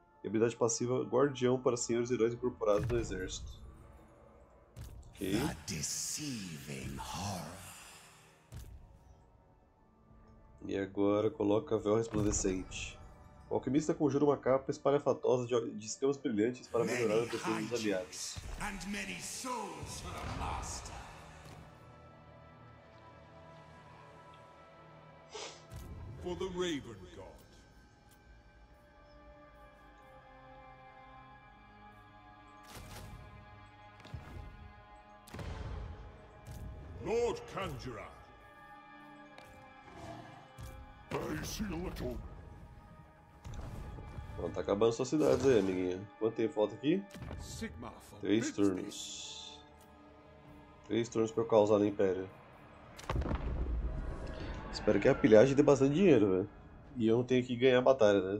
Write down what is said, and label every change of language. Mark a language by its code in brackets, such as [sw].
[pt] E habilidade passiva, guardião para senhores heróis incorporados no exército. Ok. [en] The deceiving horror. [pt] E agora coloca véu resplandecente. O alquimista conjura uma capa espalhafatosa de escamas brilhantes para melhorar a defesa dos aliados. [en] And many souls for a master. For the Raven God. Lord Conjurer. I see a little. [pt] Bom, tá acabando suas cidades aí, amiguinha. Quanto tempo falta aqui? 3 turnos. 3 turnos pra eu causar no Império. Espero que a pilhagem dê bastante dinheiro, velho. E eu não tenho que ganhar a batalha, né?